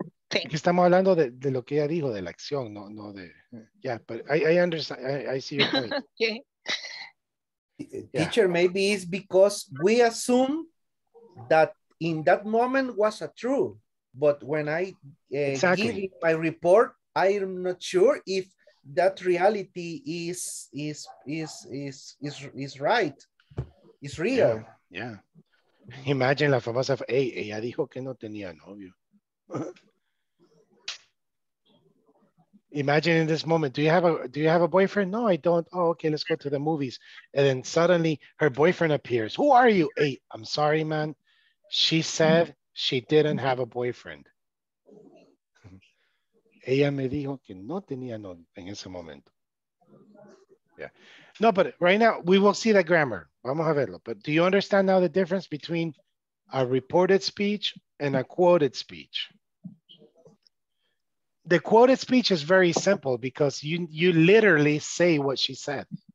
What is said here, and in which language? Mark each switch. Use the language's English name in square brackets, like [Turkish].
[Spanish] Aquí estamos hablando de lo que ella dijo, de la acción, no de... [English] Yeah, but I understand, I see your point. Okay. Teacher, maybe it's because we assume that in that moment was a true. But when I exactly. give my report, I'm not sure if that reality is right. It's real. Yeah. [Spanish] Imagine la famosa, hey, ella dijo que no tenía novio. [English] Imagine in this moment, do you have a boyfriend? No, I don't. Oh, okay, let's go to the movies. And then suddenly her boyfriend appears. Who are you? Hey, I'm sorry, man. She said she didn't have a boyfriend. [Spanish] Ella me dijo que no tenía novio en ese momento. [English] Yeah. No, but right now we will see the grammar. [Spanish] Vamos a verlo. [English] But do you understand now the difference between a reported speech and a quoted speech? The quoted speech is very simple because you literally say what she said.